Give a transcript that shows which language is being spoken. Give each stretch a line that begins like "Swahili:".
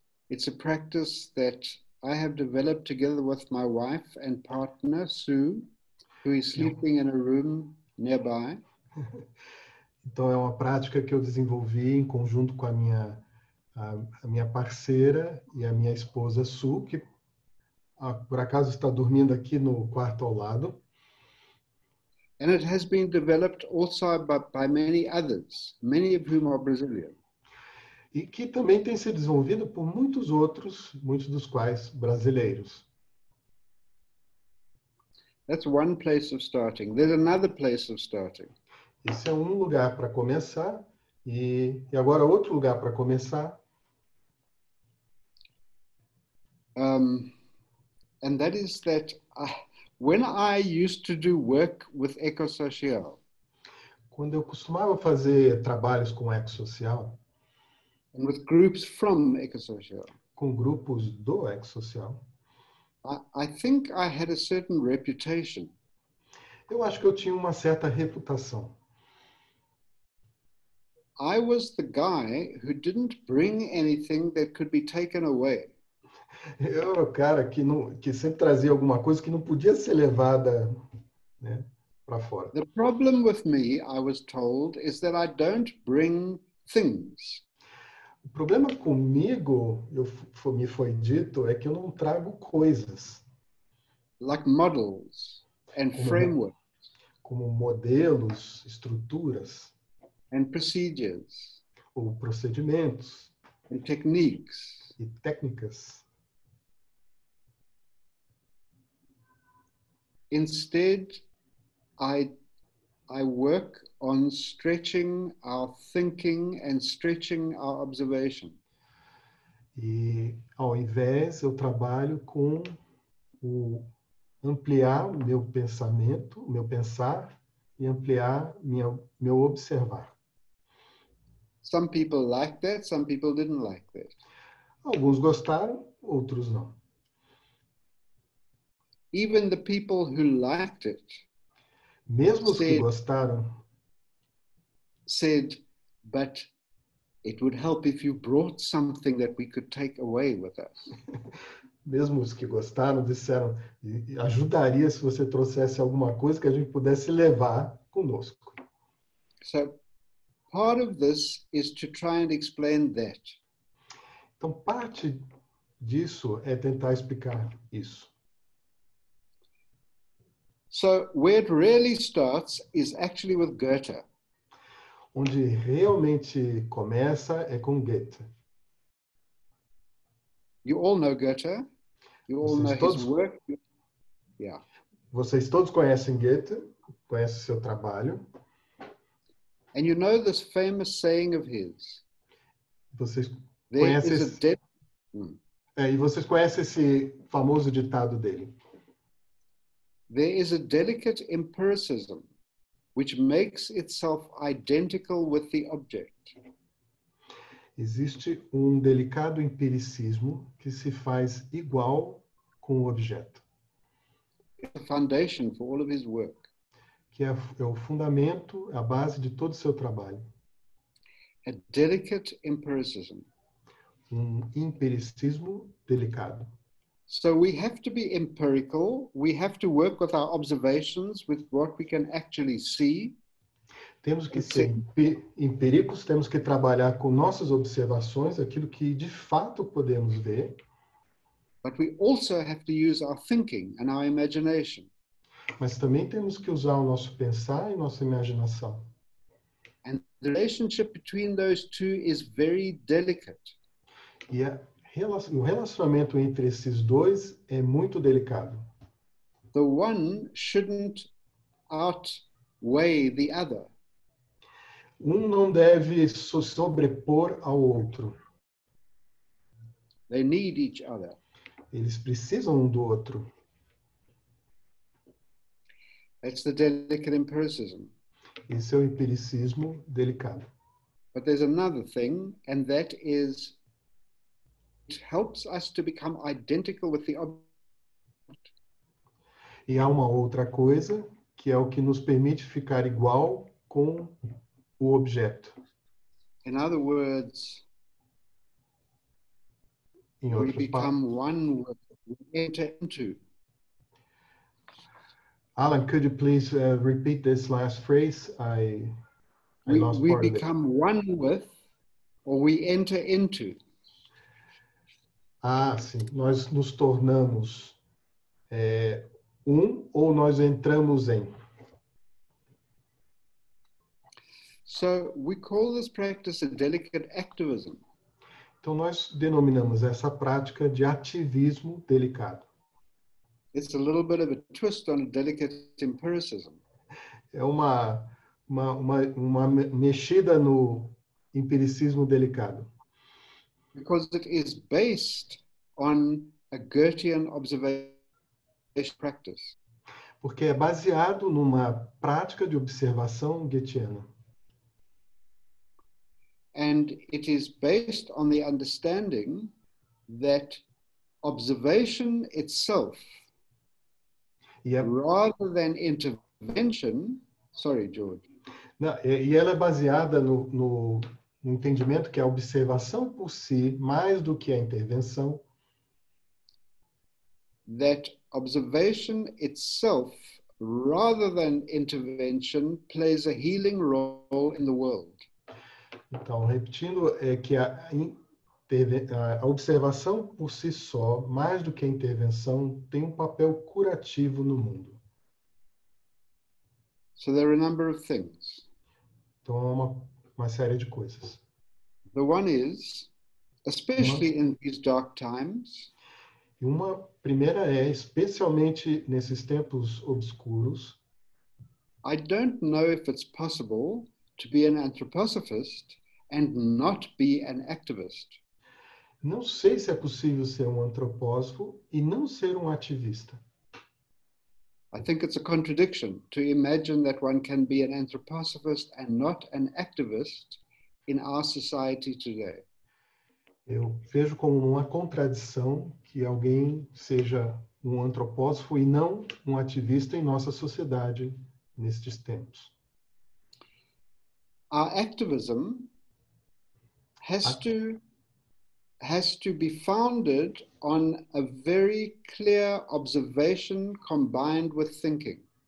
English: It's a practice that I have developed together with my wife and partner Sue, who is sleeping in a room nearby.
Portuguese: Então é uma prática que eu desenvolvi em conjunto com a minha parceira e a minha esposa Sue, que por acaso está dormindo aqui no quarto ao lado.
English: And it has been developed also by many others, many of whom are Brazilian.
Portuguese: E que também tem sido desenvolvido por muitos outros, muitos dos quais brasileiros.
English: That's one place of starting. There's another place of starting.
Portuguese: Esse é um lugar para começar e agora outro lugar para começar.
English: And that is that when I used to do work with Ecosocial.
Portuguese: Quando eu costumava fazer trabalhos com Ecosocial.
English: And with groups from Ecosocial.
Portuguese: Com grupos do Ecosocial.
English: I think I had a certain reputation.
Portuguese: Eu acho que eu tinha uma certa reputação.
English: I was the guy who didn't bring anything that could be taken away.
Portuguese: Eu era o cara que sempre trazia alguma coisa que não podia ser levada, né, para fora.
English: The problem with me, I was told, is that I don't bring things.
Portuguese: O problema comigo, me foi dito, é que eu não trago coisas.
English: Like models and frameworks.
Portuguese: Como modelos, estruturas.
English: And procedures.
Portuguese: Ou procedimentos.
English: And techniques.
Portuguese: E técnicas.
English: Instead, I work on stretching our thinking and stretching our observation.
Portuguese: E ao invés, eu trabalho com o ampliar o meu pensamento, o meu pensar, e ampliar meu observar.
English: Some people liked that, some people didn't like that.
Portuguese: Alguns gostaram, outros não.
English: Even the people who liked it.
Portuguese: Mesmo os que gostaram.
English: Said, but it would help if you brought something that we could take away with us.
Portuguese: Mesmo os que gostaram disseram, ajudaria se você trouxesse alguma coisa que a gente pudesse levar conosco.
English: So, part of this is to try and explain that.
Portuguese: Então, parte disso é tentar explicar isso.
English: So, where it really starts is actually with Goethe.
Portuguese: Onde realmente começa é com Goethe.
English: You all know Goethe. You all know his work. Yeah.
Portuguese: Vocês todos conhecem Goethe, conhecem seu trabalho.
English: And you know this famous saying of his.
Portuguese: Vocês conhecem vocês conhecem esse famoso ditado dele.
English: There is a delicate empiricism which makes itself identical with the object.
Portuguese: Existe um delicado empiricismo que se faz igual com o objeto.
English: It's a foundation for all of his work.
Portuguese: Que é o fundamento, a base de todo o seu trabalho.
English: A delicate empiricism.
Portuguese: um empiricismo delicado.
English: So we have to be empirical, we have to work with our observations, with what we can actually see.
Portuguese: Temos que ser empíricos, temos que trabalhar com nossas observações, aquilo que de fato podemos ver.
English: But we also have to use our thinking and our imagination.
Portuguese: Mas também temos que usar o nosso pensar e nossa imaginação.
English: And the relationship between those two is very delicate.
Portuguese: O relacionamento entre esses dois é muito delicado.
English: The one shouldn't outweigh the other.
Portuguese: Um não deve se sobrepor ao outro.
English: They need each other.
Portuguese: Eles precisam um do outro.
English: That's the delicate empiricism.
Portuguese: Esse é o empiricismo delicado.
English: But there's another thing, and that is it helps us to become identical with the object.
Portuguese: E há uma outra coisa, que é o que nos permite ficar igual com o objeto.
English: In other words,
Portuguese: em
English: we become one with, we enter into. Allan, could you please repeat this last phrase? We become one with, or we enter into.
Portuguese: Ah, sim. Nós nos tornamos um, ou nós entramos em.
English: So we call this practice a delicate activism.
Portuguese: Então nós denominamos essa prática de ativismo delicado.
English: It's a little bit of a twist on a delicate empiricism.
Portuguese: É uma mexida no empiricismo delicado.
English: Because it is based on a Goethean observation practice.
Portuguese: Porque é baseado numa prática de observação goetiana.
English: And it is based on the understanding that observation itself, rather than intervention, sorry, George.
Portuguese: E ela é baseada no entendimento que a observação por si, mais do que a intervenção.
English: That observation itself, rather than intervention, plays a healing role in the world.
Portuguese: Então, repetindo, é que a observação por si só, mais do que a intervenção, tem um papel curativo no mundo.
English: So there are a number of things.
Portuguese: Então, há uma série de coisas.
English: The one is, especially in these dark times,
Portuguese: e uma primeira é, especialmente nesses tempos obscuros,
English: I don't know if it's possible to be an anthroposophist and not be an activist.
Portuguese: Não sei se é possível ser um antropósofo e não ser um ativista.
English: I think it's a contradiction to imagine that one can be an anthroposophist and not an activist in our society today.
Portuguese: Eu vejo como uma contradição que alguém seja um antropósofo e não um ativista em nossa sociedade nestes tempos.
English: Our activism has to be founded on a very clear observation combined with thinking.